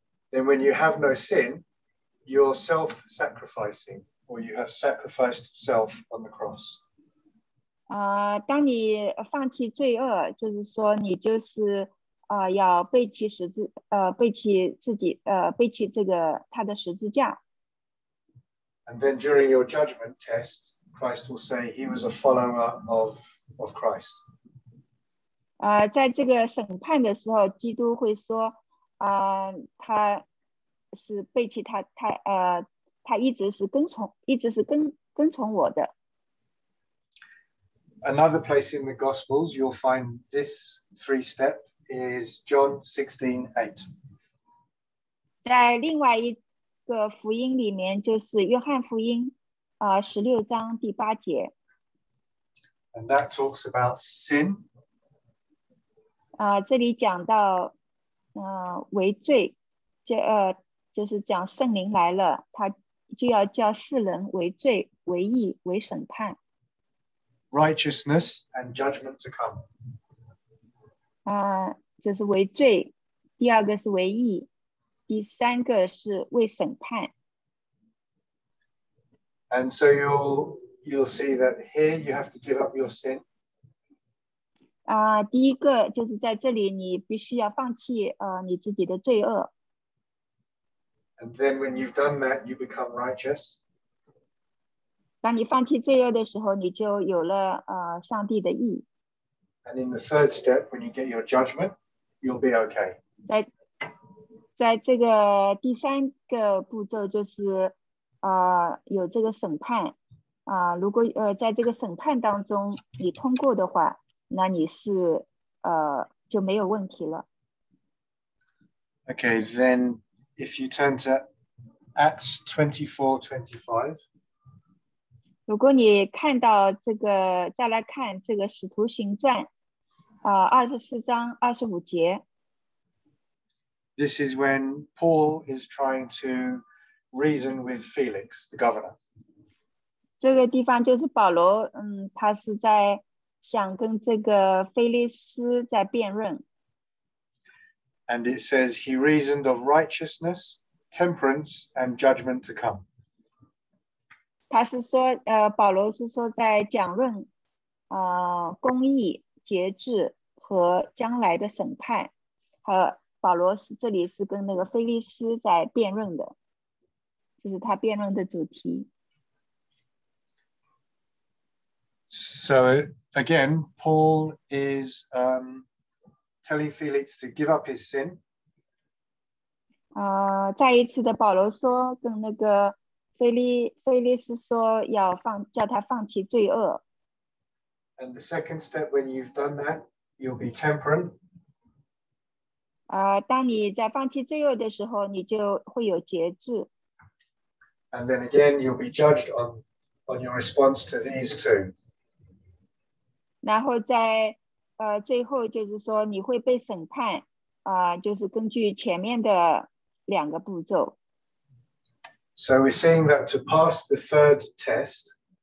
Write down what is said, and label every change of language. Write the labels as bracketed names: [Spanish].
[English] Then when you have no sin, you're self-sacrificing, or you have sacrificed self on the cross. [Chinese] 当你放弃罪恶，就是说你就是要背弃十字，背弃自己，背弃这个他的十字架。 [English] And then during your judgment test, Christ will say he was a follower of Christ. [Chinese] 在这个审判的时候，基督会说，他是背弃他，他一直是跟从，一直是跟从我的。 [English] Another place in the Gospels you'll find this three step is John 16:8. [Chinese] 在另外一个福音里面，就是约翰福音，十六章第八节。 [English] And that talks about sin. [Chinese] 这里讲到，为罪，就是讲圣灵来了，他就要叫世人为罪、为义、为审判。 [English] Righteousness and judgment to come. [Chinese] 就是为罪，第二个是为义，第三个是为审判。 [English] And so you'll see that here you have to give up your sin. [Chinese] 第一个就是在这里你必须要放弃你自己的罪恶。 [English] And then when you've done that, you become righteous. [Chinese] 当你放弃罪恶的时候，你就有了上帝的义。 [English] And in the third step, when you get your judgment, you'll be okay. [Chinese] 在这个第三个步骤就是有这个审判如果在这个审判当中你通过的话，那你是就没有问题了。 [English] Okay, then if you turn to Acts 24:25, [Chinese] 如果你看到这个，再来看这个《使徒行传》24:25. [English] This is when Paul is trying to reason with Felix, the governor. [Chinese] 这个地方就是保罗，他是在想跟这个菲利斯在辩论。 [English] And it says he reasoned of righteousness, temperance, and judgment to come. [Chinese] 他是说，保罗是说在讲论，公义、节制和将来的审判。保罗是这里是跟那个菲利斯在辩论的，这是他辩论的主题。 [English] So again, Paul is telling Felix to give up his sin. [Chinese] 再一次的保罗说跟那个菲利斯说要叫他放弃罪恶。 [English] And the second step, when you've done that, you'll be temperate. [Chinese] 当你在放弃罪恶的时候，你就会有节制。 [English] And then again, you'll be judged on your response to these two. [Chinese] 然后在最后就是说你会被审判就是根据前面的两个步骤。 [English] So we're seeing that to pass the third test.